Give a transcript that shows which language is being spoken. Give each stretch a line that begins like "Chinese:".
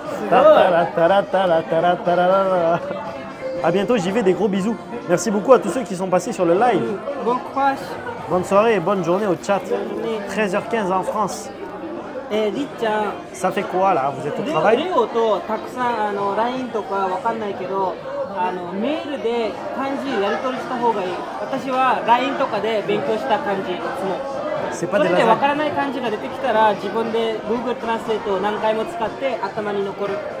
French: タタラタラタラタラタラタラ。 À bientôt, j'y vais, des gros bisous. Merci beaucoup à tous ceux qui sont passés sur le live. Bon courage. Bonne soirée et bonne journée au chat. 13h15 en France. Et Ritchan, ça fait quoi là? Vous êtes au travail?
Japanese: Léo, Léo, とたくさんあの LINE とかわかんないけど。メールで漢字やり取りした方がいい。私は LINE とかで勉強した漢字、いつも。それで分からない漢字が出てきたら、自分で Google Translate を何回も使って頭に残る。